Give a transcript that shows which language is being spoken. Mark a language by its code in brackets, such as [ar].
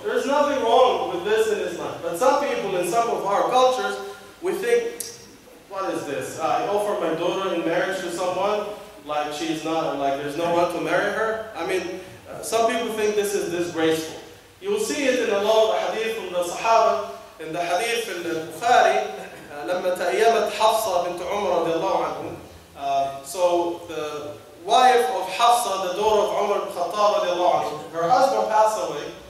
[en] There's nothing wrong with this in Islam. But some people in some of our cultures, we think, what is this? I offer my daughter in marriage to someone, like she's not, like there's no one to marry her. I mean, some people think this is disgraceful. You will see it in a lot of the hadith from the Sahaba. In the hadith in the Bukhari, [ar] لما تأيمت حفصة بنت عمر رضي الله عنه. [en] So the wife of Hafsa, the daughter of Umar ibn Khattab رضي الله عنه, her husband passed away.